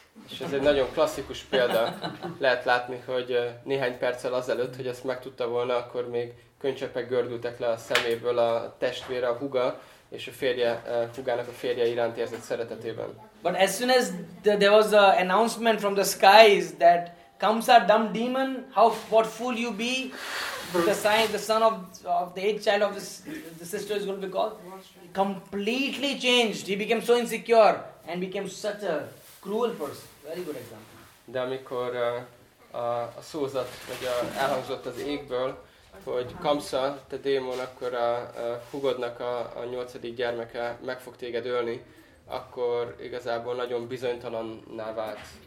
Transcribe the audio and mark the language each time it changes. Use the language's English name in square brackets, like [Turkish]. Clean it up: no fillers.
[Hungarian] És ez egy nagyon klasszikus példa. Lehet látni, hogy néhány perccel azelőtt, hogy ezt megtudta volna, akkor még könycsepek gördültek le a szeméből a testvére, a húga, és a férje, húgának a férje iránt érzett szeretetében. [English] But as soon as there was an announcement from the skies that Kamsa, dumb demon, what fool you be, the son of the eighth child of the sister is going to be called, completely changed. He became so insecure and became such a cruel person. Very good example. [Hungarian] De amikor a szózat, vagy elhangzott az égből, hogy Kamsa, te démon, akkor a hugodnak a nyolcadik gyermeke meg fog téged ölni, akkor igazából nagyon bizonytalanná vált.